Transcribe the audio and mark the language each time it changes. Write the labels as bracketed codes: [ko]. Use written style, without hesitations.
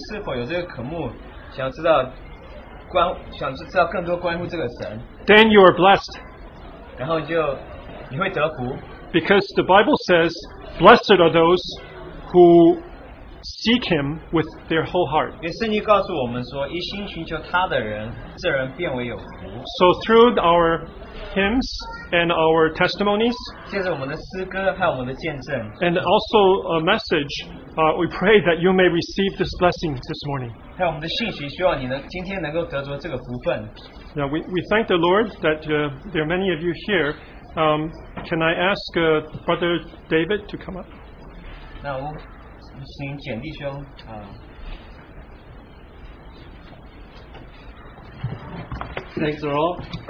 [zh] 是否有这个渴慕，想知道关，想知道更多关乎这个神。 [en] Then you are blessed. [zh] 然后就你会得福。 [en] Because the Bible says, blessed are those who seek Him with their whole heart. [zh] 也圣经告诉我们说，一心寻求他的人，这人变为有福。 [en] So through our hymns and our testimonies, [zh] 借着我们的诗歌和我们的见证 [en] and also a message, we pray that you may receive this blessing this morning. [zh] 还有我们的信息，希望你能今天能够得着这个福分。 [en] Now we thank the Lord that there are many of you here. Can I ask Brother David to come up? [zh] 那我请简弟兄啊。 [en] Thanks, Lord.